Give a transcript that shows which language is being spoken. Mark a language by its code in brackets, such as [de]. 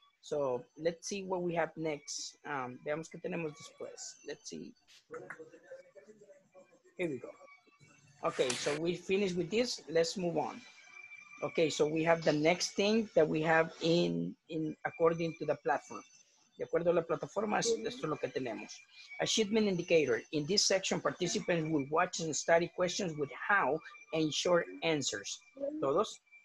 [en] So let's see what we have next. [es] Veamos que tenemos después. [en] Let's see. Here we go. Okay, so we finished with this. Let's move on. Okay, so we have the next thing that we have in according to the platform. [es] De acuerdo a la plataforma, esto es lo que tenemos. [en] Achievement indicator. In this section, participants will watch and study questions with how and short answers. ¿Todos?